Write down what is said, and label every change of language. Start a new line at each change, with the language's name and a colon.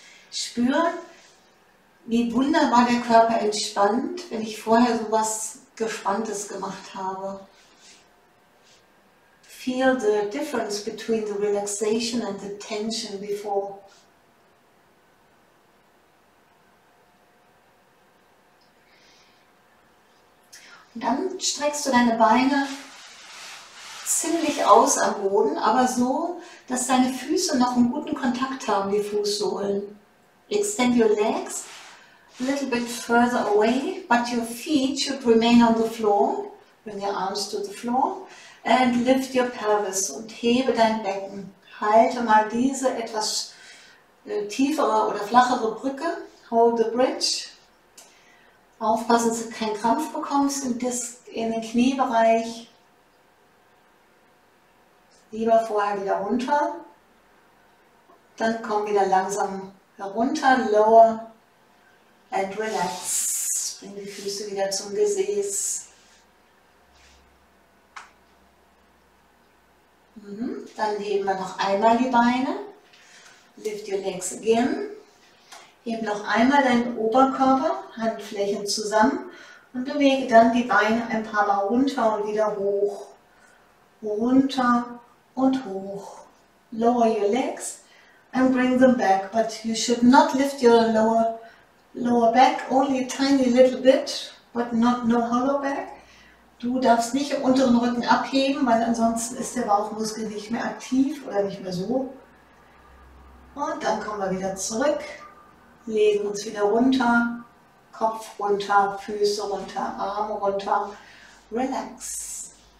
German: Spür, wie wunderbar der Körper entspannt, wenn ich vorher so was Gespanntes gemacht habe.
English: Feel the difference between the relaxation and the tension before.
German: Dann streckst du deine Beine ziemlich aus am Boden, aber so, dass deine Füße noch einen guten Kontakt haben, die Fußsohlen.
English: Extend your legs a little bit further away, but your feet should remain on the floor. Bring your arms to the floor and lift your pelvis
German: und hebe dein Becken. Halte mal diese etwas tiefere oder flachere Brücke.
English: Hold the bridge.
German: Aufpassen, dass du keinen Krampf bekommst im Disk, in den Kniebereich. Lieber vorher wieder runter. Dann komm wieder langsam herunter,
English: lower and relax.
German: Bring die Füße wieder zum Gesäß. Dann heben wir noch einmal die Beine.
English: Lift your legs again.
German: Heb noch einmal deinen Oberkörper, Handflächen zusammen und bewege dann die Beine ein paar Mal runter und wieder hoch. Runter und hoch.
English: Lower your legs and bring them back. But you should not lift your lower back, only a tiny little bit, but not no hollow back.
German: Du darfst nicht im unteren Rücken abheben, weil ansonsten ist der Bauchmuskel nicht mehr aktiv oder nicht mehr so. Und dann kommen wir wieder zurück. Legen uns wieder runter, Kopf runter, Füße runter, Arme runter, relax.